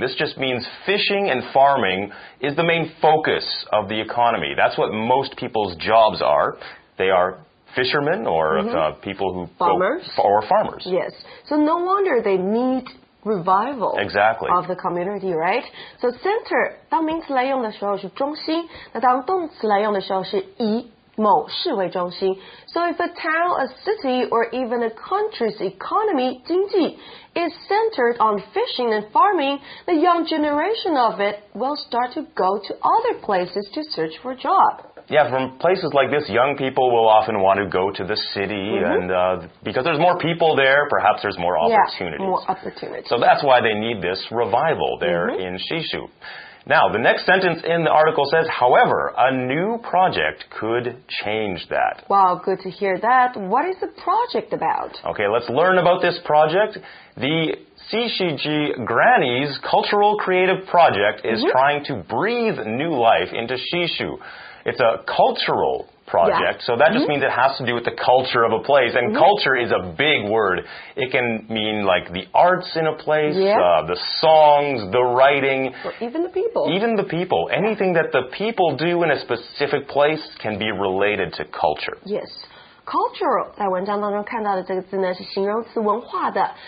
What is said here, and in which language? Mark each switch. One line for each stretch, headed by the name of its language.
English: This just means fishing and farming is the main focus of the economy. That's what most people's jobs are. They are fishermen or people who... Farmers. Yes. So no wonder they need revival of the community, right? So center,
Chinese: 当名词来用的时候是中心，那当动词来用的时候是以某市为中心。
English: So if a town, a city, or even a country's economy, 经济 is centered on fishing and farming, the young generation of it will start to go to other places to search for a job. Yeah, from places like this, young people will often want to go to the city, and because there's more people there, perhaps there's more opportunities. Yeah, more opportunities. So that's why they need this revival there in Shishu. Now, the next sentence in the article says, however, a new project could change that. Wow, good to hear that. What is the project about? Okay, let's learn about this project. The Shishiji Granny's Cultural Creative Project is trying to breathe new life into Shishu. It's a cultural project, so that just means it has to do with the culture of a place. And culture is a big word. It can mean like the arts in a place, the songs, the writing. Or even the people. Even the people. Anything that the people do in a specific place can be related to culture. Yes.
Chinese: Cultural, 在文章当中看到的这个字呢是形容词文化的。